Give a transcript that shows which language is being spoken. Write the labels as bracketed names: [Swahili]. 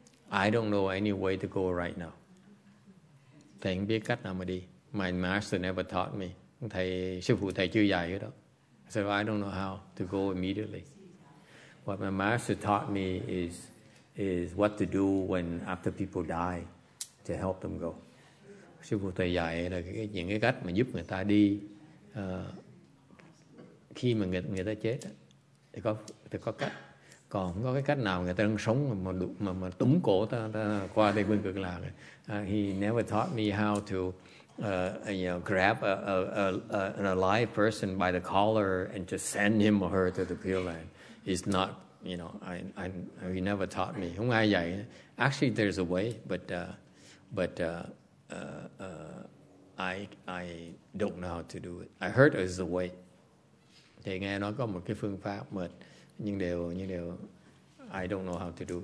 [English] I don't know any way to go right now. [Vietnamese] Thầy không biết cách nào mà đi. [English] My master never taught me. [Vietnamese] Thầy, sư phụ thầy chưa dạy hết đó. [English] So I don't know how to go immediately. What my master taught me is what to do when after people die to help them go. [Vietnamese] Sư phụ thầy dạy là những cái cách mà giúp người ta đi khi mà người ta chết thì có cách. Còn có cái cách nào người ta đang sống mà túm cổ ta qua Tây Nguyên Cực Lạc. [English] He never taught me how to grab an alive person by the collar and just send him or her to the Pure Land. It's not, you know, he never taught me. [Vietnamese] Không ai dạy. [English] Actually, there's a way, but I don't know how to do it. I heard there's a way. [Vietnamese] Thầy nghe nói có một cái phương pháp, but nhưng đều [English] I don't know how to do.